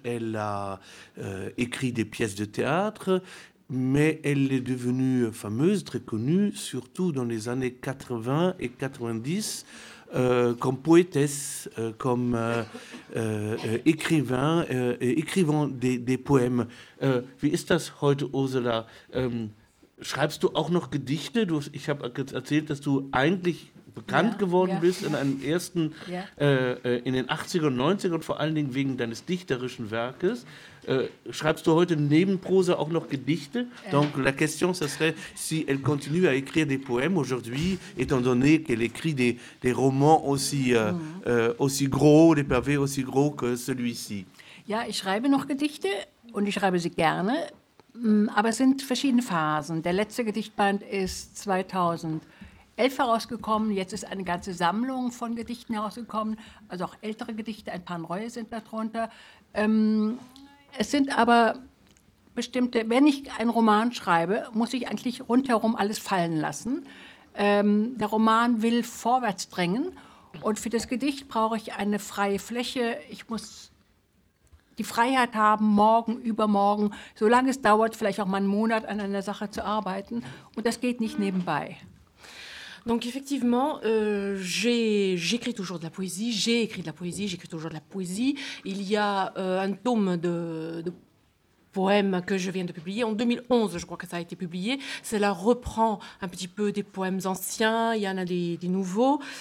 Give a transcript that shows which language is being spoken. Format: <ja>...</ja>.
<fr>Elle a écrit des pièces de théâtre. Mais elle est devenue fameuse, très connue, surtout dans les années 80 et 90, comme poétesse, comme écrivain, écrivant des poèmes.</fr> <de>Wie ist das heute, Ursula? Schreibst du auch noch Gedichte? Ich habe erzählt, dass du eigentlich bekannt geworden bist in einem ersten, in den 80er und 90er und vor allen Dingen wegen deines dichterischen Werkes. Schreibst du heute neben Prosa auch noch Gedichte?</de> <fr>Donc la question, ça serait si elle continue à écrire des poèmes aujourd'hui, étant donné qu'elle écrit des romans aussi, aussi gros, des pavés aussi gros que celui-ci.</fr> <de>Ja, ich schreibe noch Gedichte und ich schreibe sie gerne. Aber es sind verschiedene Phasen. Der letzte Gedichtband ist 2011 herausgekommen. Jetzt ist eine ganze Sammlung von Gedichten herausgekommen. Also auch ältere Gedichte, ein paar neue sind darunter. Es sind aber bestimmte, wenn ich einen Roman schreibe, muss ich eigentlich rundherum alles fallen lassen. Der Roman will vorwärts drängen. Und für das Gedicht brauche ich eine freie Fläche. Ich muss die Freiheit haben, morgen, übermorgen, solange es dauert, vielleicht auch mal einen Monat an einer Sache zu arbeiten. Und das geht nicht nebenbei.</de> <fr>Donc effectivement, j'écris toujours de la poésie, j'ai écrit de la poésie, j'écris toujours de la poésie. Il y a un tome de poèmes que je viens de publier. En 2011, je crois que ça a été publié. Cela reprend un petit peu des poèmes anciens, il y en a des nouveaux.</fr>